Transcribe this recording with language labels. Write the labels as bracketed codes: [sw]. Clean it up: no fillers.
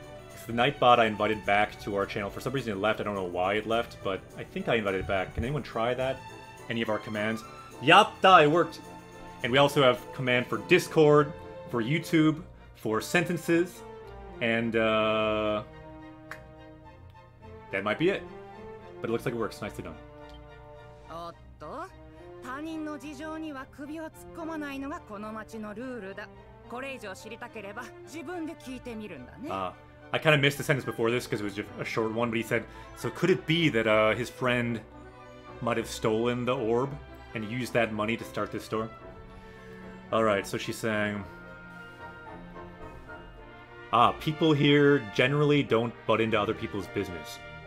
[en] Because the Nightbot I invited back to our channel, for some reason it left. I don't know why it left, but I think I invited it back. Can anyone try that? Any of our commands? Yatta, it worked! And we also have command for Discord, for YouTube, for sentences, and that might be it. But it looks like it works. Nicely done. [ja] Otto, 他人の事情には首を突っ込まないのがこの町のルールだ。これ以上知りたければ自分で聞いてみるんだね。 [en] I kind of missed the sentence before this because it was just a short one, but he said, so could it be that his friend might have stolen the orb and used that money to start this store? All right, so she's saying, Ah, people here generally don't butt into other people's business.